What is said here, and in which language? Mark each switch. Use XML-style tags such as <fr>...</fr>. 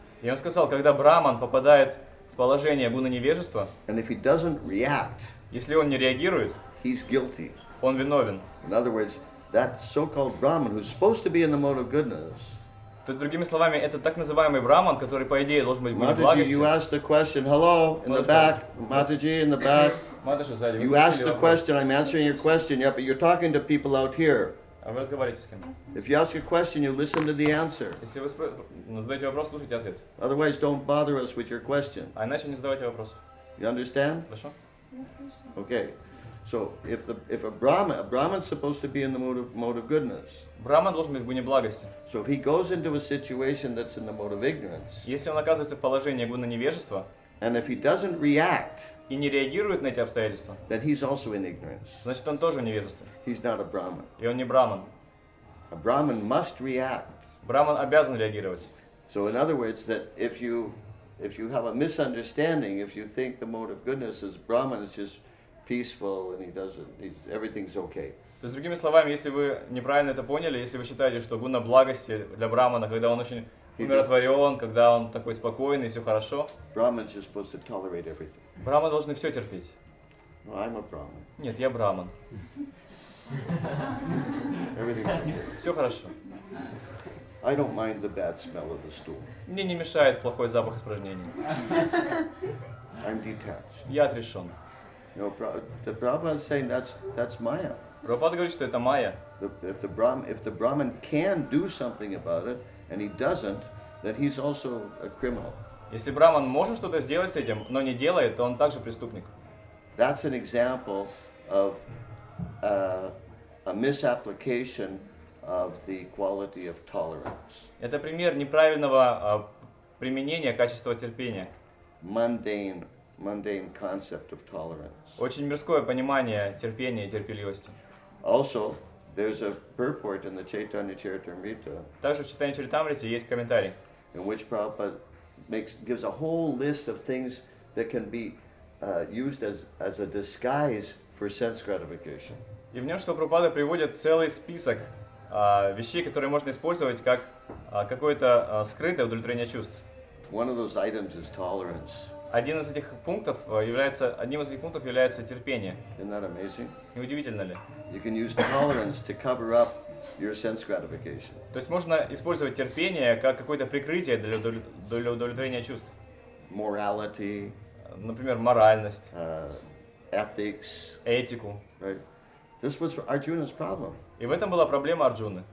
<ru>И он сказал, когда Брахман попадает в положение гуна невежества,</ru> <en>and if he doesn't react,</en> <ru>если он не реагирует,</ru> <en>he's guilty.</en> <ru>Он виновен.</ru> <en>In other words, that so-called Brahman who's supposed to be in the mode of goodness.</en> <ru>То есть другими словами, это так называемый Брахман, который по идее должен быть в гуне благости.</ru> <en>You asked the question, hello, in the back, Mataji, in the back.</en> <ru>Матаджи, сзади.</ru> <en>You asked the question, I'm answering your question, yeah, but you're talking to people out here.</en> <ru>А вы разговариваете с кем?</ru> <en>If you ask a question, you listen to the answer.</en> <ru>Если вы задаете вопрос, слушайте ответ.</ru> <en>Otherwise, don't bother us with your question.</en> <ru>А иначе не задавайте вопрос.</ru> <en>You understand?</en> <ru>Хорошо.</ru> <en>Okay. So if a Brahman is supposed to be in the mode of goodness.</en> <ru>Брахман должен быть в гуне благости.</ru> <en>So if he goes into a situation that's in the mode of ignorance.</en> <ru>Если он оказывается в положении гуна невежества.</ru> <en>And if he doesn't react,</en> <ru>и не реагирует на эти обстоятельства,</ru> <en>then he's also in ignorance.</en> <ru>Значит, он тоже в невежестве.</ru> <en>He's not a Brahman.</en> <ru>И он не Брахман.</ru> <en>A Brahman must react.</en> <ru>Брахман обязан реагировать.</ru> <en>So in other words, that if you have a misunderstanding, if you think the mode of goodness is Brahman, it's just peaceful and everything's okay.</en> <ru>То есть, другими словами, если вы неправильно это поняли, если вы считаете, что гуна благости для Брахмана, когда он очень умиротворен, когда он такой спокойный, и все хорошо.</ru> <en>Brahmins are supposed to tolerate everything.</en> <ru>Брахманы должны все терпеть.</ru> <en>No, I'm a Brahman.</en> <ru>Нет, я Брахман.</ru> <en>Everything</en> <ru>is все хорошо.</ru> <en>I don't mind the bad smell of the stool.</en> <ru>Мне не мешает плохой запах испражнений.</ru> <en>I'm detached.</en> <ru>Я отрешен.</ru> <en>No, the Brahman is saying that's Maya.</en> <ru>Прабхупада говорит, что это Майя.</ru> <en>If the Brahman can do something about it, and he doesn't, then he's also a criminal.</en> <ru>Если Брахман может что-то сделать с этим, но не делает, то он также преступник.</ru> <en>That's an example of a misapplication of the quality of tolerance.</en> <ru>Это пример неправильного применения качества терпения.</ru> <en>Mundane concept of tolerance.</en> <ru>Очень мирское понимание терпения и терпеливости.</ru> <en>Also, there's a purport in the Chaitanya Charitamrita.</en> <ru>Также в Чайтанья Чаритамрите есть комментарий.</ru> <en>In which Prabhupada gives a whole list of things that can be used as a disguise for sense gratification.</en> <ru>И в нем что Прабхупада приводит целый список вещей, которые можно использовать как какое-то скрытое удовлетворение чувств.</ru> <en>One of those items is tolerance.</en> <ru>Одним из этих пунктов является терпение.</ru> <en>Isn't that amazing?</en> <ru>Не удивительно ли?</ru> <en>You can use tolerance to cover up your sense gratification.</en> <ru>То есть можно использовать терпение как какое-то прикрытие для удовлетворения чувств.</ru> <en>Morality.</en> <ru>Например, моральность.</ru> <en>Ethics.</en> <ru>Этику.</ru> <en>Right. This was Arjuna's problem.</en> <ru>И в этом была проблема Арджуны.</ru>